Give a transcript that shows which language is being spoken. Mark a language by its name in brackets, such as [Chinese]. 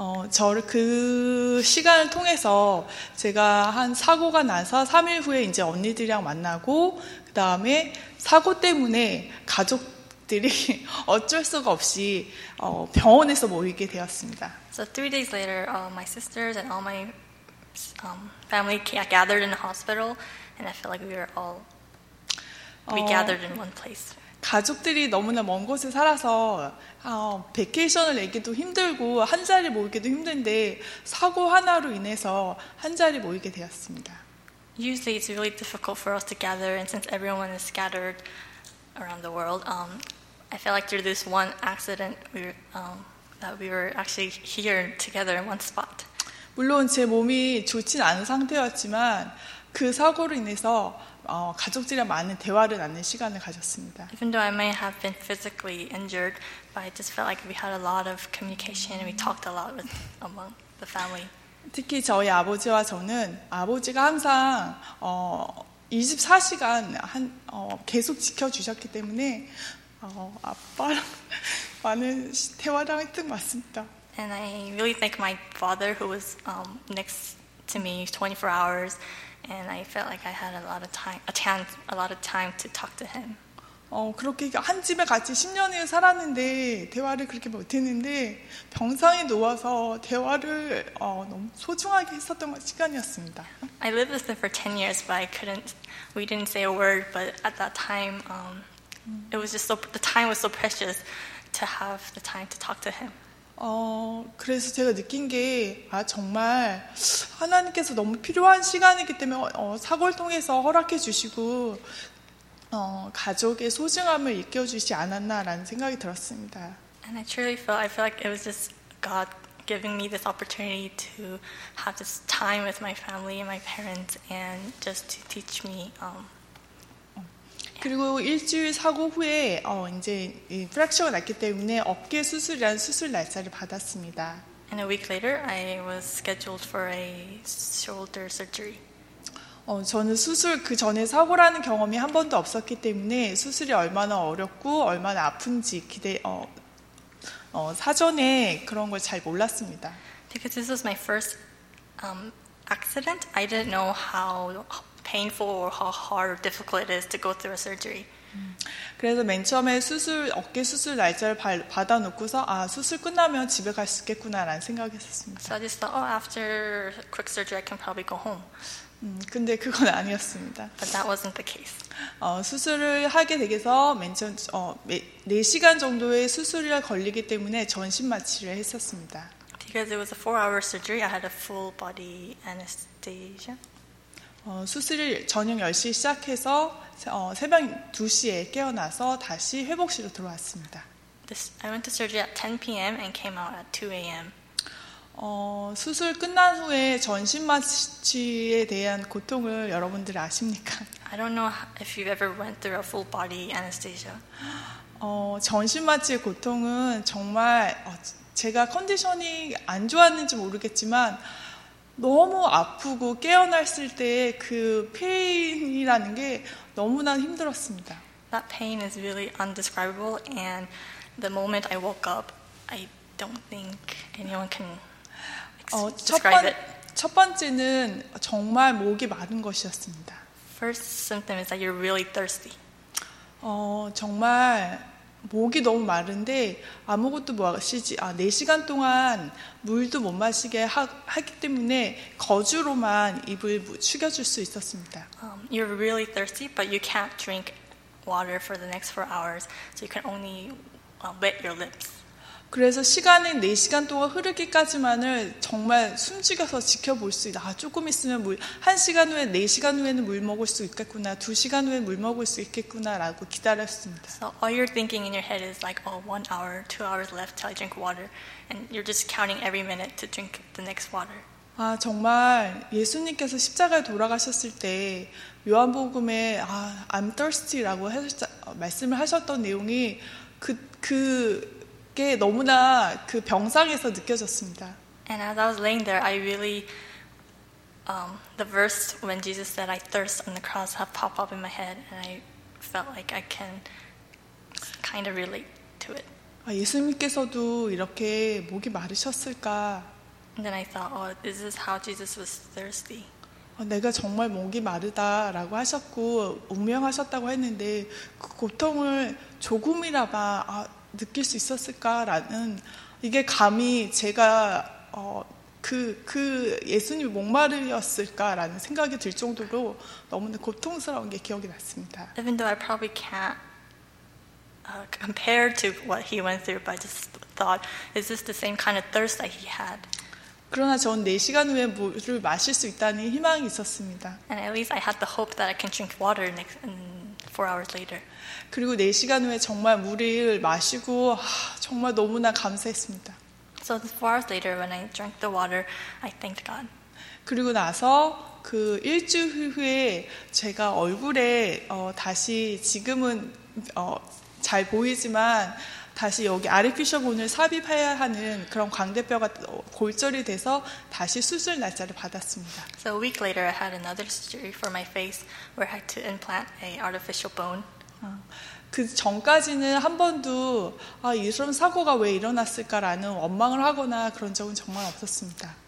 [Korean] 저를 그 시간을 통해서 제가 한 사고가 나서 3일 후에 이제 언니들이랑 만나고 그 다음에 사고 때문에 가족들이 어쩔 수가 없이 병원에서 모이게 되었습니다. [English] So three days later, my sisters and all my family gathered in the hospital, and I feel like we gathered in one place. [Korean] 가족들이 너무나 먼 곳에 살아서 베케이션을 내기도 힘들고 한 자리 모이기도 힘든데 사고 하나로 인해서 한 자리 모이게 되었습니다. [English] Usually it's really difficult for us to gather, and since everyone is scattered around the world, I feel like through this one accident, we were actually here together in one spot. [Korean] 물론 제 몸이 좋진 않은 상태였지만 그 사고로 인해서 가족들이랑 많은 대화를 나눌 시간을 가졌습니다. [English] Even though I may have been physically injured, but I just felt like we had a lot of communication and we talked a lot among the family. [Korean] 특히 저희 아버지와 저는 아버지가 항상 24시간 계속 지켜주셨기 때문에 아빠랑 많은 대화를 했던 것 같습니다. [English] And I really thank my father who was next to me 24 hours. And I felt like I had a lot of time to talk to him. [Korean] 그렇게 한 집에 같이 10년을 살았는데 대화를 그렇게 못 했는데 병상에 누워서 대화를 너무 소중하게 했었던 시간이었습니다. [English] I lived with him for 10 years, but we didn't say a word. But at that time, it was just so the time was so precious to have the time to talk to him. [Korean] 그래서 제가 느낀 게 정말 하나님께서 너무 필요한 시간이기 때문에 사고를 통해서 허락해 주시고 가족의 소중함을 일깨워 주시지 않았나라는 생각이 들었습니다. [English] And I truly feel like it was just God giving me this opportunity to have this time with my family and my parents and just to teach me [Korean] 그리고 일주일 사고 후에 이제 프랙처가 났기 때문에 어깨 수술이라는 수술 날짜를 받았습니다. [English] And a week later, I was scheduled for a shoulder surgery. [Korean] 저는 수술 그 전에 사고라는 경험이 한 번도 없었기 때문에 수술이 얼마나 어렵고 얼마나 아픈지 사전에 그런 걸 잘 몰랐습니다. [English] Because this was my first accident, I didn't know how painful or how hard or difficult it is to go through a surgery. [Korean] 그래서 맨 처음에 어깨 수술 날짜를 받아 놓고서 수술 끝나면 집에 갈 수 있겠구나라는 생각했었습니다. [English] So I just thought, oh, after quick surgery, I can probably go home. [Korean] 근데 그건 아니었습니다. [English] But that wasn't the case. [Korean] 수술을 하게 되어서 맨 처음 4시간 정도의 수술이 걸리기 때문에 전신 마취를 했었습니다. [English] Because it was a 4-hour surgery, I had a full body anesthesia. [Korean] 수술을 저녁 10시 시작해서 새벽 2시에 깨어나서 다시 회복실로 들어왔습니다. [English] I went to surgery at 10 p.m. and came out at 2 a.m. [Korean] 수술 끝난 후에 전신 마취에 대한 고통을 여러분들 아십니까? [English] I don't know if you've ever went through a full body anesthesia. [Korean] 전신 마취의 고통은 정말 제가 컨디션이 안 좋았는지 모르겠지만 너무 아프고 깨어났을 때 그 페인이라는 게 너무나 힘들었습니다. [English] That pain is really indescribable, and the moment I woke up, I don't think anyone can describe it. [Korean] 첫 번째는 정말 목이 마른 것이었습니다. [English] First symptom is that you're really thirsty. [Korean] 정말 목이 너무 마른데 아무것도 마시지 4시간 동안 물도 못 마시게 하기 때문에 거주로만 입을 축여줄 수 있었습니다. [English] You're really thirsty, but you can't drink water for the next 4 hours, so you can only wet your lips. [Korean] 그래서 시간은 4시간 동안 흐르기까지만을 정말 숨죽여서 지켜볼 수 있다. 조금 있으면 1시간 후에, 4시간 후에는 물 먹을 수 있겠구나, 2시간 후에 물 먹을 수 있겠구나라고 기다렸습니다. [English] So all you're thinking in your head is like, oh, 1 hour, 2 hours left till I drink water. And you're just counting every minute to drink the next water. [Korean] 아, 정말 예수님께서 십자가에 돌아가셨을 때 요한복음에 아, [English] I'm thirsty [Korean] 라고 말씀을 하셨던 내용이 그게 너무나 그 병상에서 느껴졌습니다. [English] And as I was laying there, I really the verse when Jesus said I thirst on the cross have popped up in my head and I felt like I can kind of relate to it. [Korean] 아, 예수님께서도 이렇게 목이 마르셨을까? [English] And then I thought, oh, this is how Jesus was thirsty. [Korean] 내가 정말 목이 마르다라고 하셨고 운명하셨다고 했는데 그 고통을 조금이라도 아, 느낄 수 있었을까라는 이게 감히 제가 그 예수님이 목마르셨을까라는 생각이 들 정도로 너무나 고통스러운 게 기억이 났습니다. [English] Even though I probably can't compare to what he went through, but I just thought, is this the same kind of thirst that he had? [Korean] 그러나 전 4시간 후에 물을 마실 수 있다는 희망이 있었습니다. [English] And at least I had the hope that I can drink water next and 4 hours later. [Korean] 그리고 4시간 후에 정말 물을 마시고 하, 정말 너무나 감사했습니다. [English] So 4 hours later when I drank the water, I thanked God. [Korean] 그리고 나서 그 일주일 후에 제가 얼굴에 다시 지금은 잘 보이지만 다시 여기 아르피셔 본을 삽입해야 하는 그런 광대뼈가 골절이 돼서 다시 수술 날짜를 받았습니다. [English] So a week later I had another surgery for my face where I had to implant a artificial bone. [Korean] 그 전까지는 한 번도 아, 이런 사고가 왜 일어났을까라는 원망을 하거나 그런 적은 정말 없었습니다.